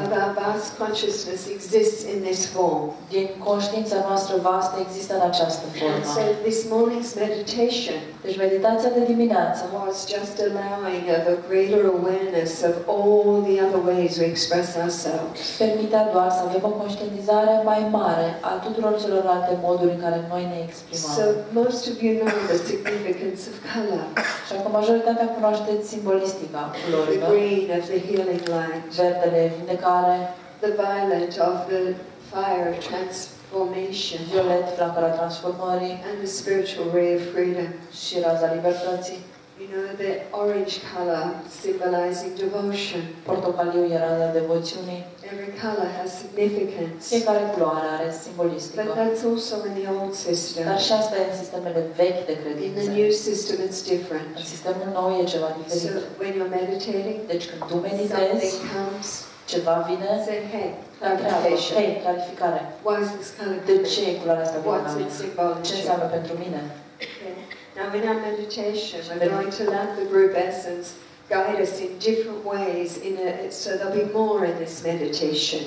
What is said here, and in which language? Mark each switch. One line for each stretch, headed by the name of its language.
English: of our vast consciousness exists in this form.
Romanian: Din conștiința noastră vastă există în această formă.
English: So this morning's meditation,
Romanian: deci meditația de dimineață,
English: was just allowing of a greater awareness of all the other ways we express ourselves.
Romanian: Permitea doar să avem o conștientizare mai mare a tuturor celorlalte moduri în care noi ne exprimăm.
English: So most of you know the significance of color.
Romanian: Și acum majoritatea dacă cunoașteți simbolistica culorilor, verdele, vindecare,
English: the violet of the fire transformation,
Romanian: violet, flacăra transformării,
English: and the spiritual ray of freedom,
Romanian: și raza libertății.
English: You know, the orange color symbolizing devotion,
Romanian: portocaliu e raza devoțiunii.
English: Every color has significance.
Romanian: Fiecare culoare are simbolistică.
English: But that's also in the old system.
Romanian: Dar și asta e în sistemele vechi de credință.
English: In the new system it's different.
Romanian: În sistemul nou e ceva diferit.
English: So when you're meditating,
Romanian: deci când tu meditezi,
English: something comes,
Romanian: ceva vine,
English: say, hey, clarification.
Romanian: Hey, clarificare.
English: Why is this color?
Romanian: De ce e culoarea asta?
English: What's it symbol?
Romanian: Ce înseamnă pentru mine?
English: Okay. Now, in our meditation, we're going to let the group essence guide us in different ways, in a, so there'll be more in this meditation.